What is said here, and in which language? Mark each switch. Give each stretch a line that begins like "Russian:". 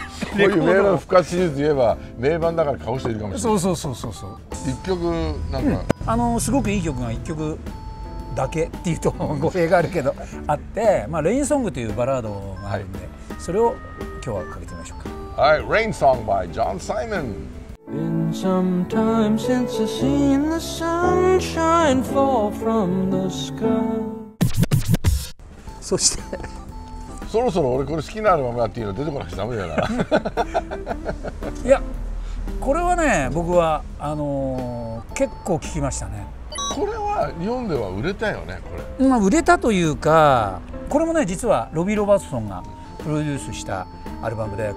Japanese: こういう名盤復活シリーズ言えば名盤だから顔しているかもしれないそうそうそうそう一曲なんか、うん、すごくいい曲が一曲だけっていうと語弊があるけどあって、まあ、レインソングというバラードがあるんで、はい、それを今日はかけてみましょうかはい、レインソング by John Simon
English: Been some time since I've seen the sunshine fall from the sky
Japanese: そしてそろそろ俺これ好きなアルバムだっていうの出てこなくちゃダメだないや、これはね、僕は結構聞きましたねこれは日本では売れたよねこれ、まあ、売れたというかこれもね実はロビー・ロバートソンがプロデュースしたアルバムで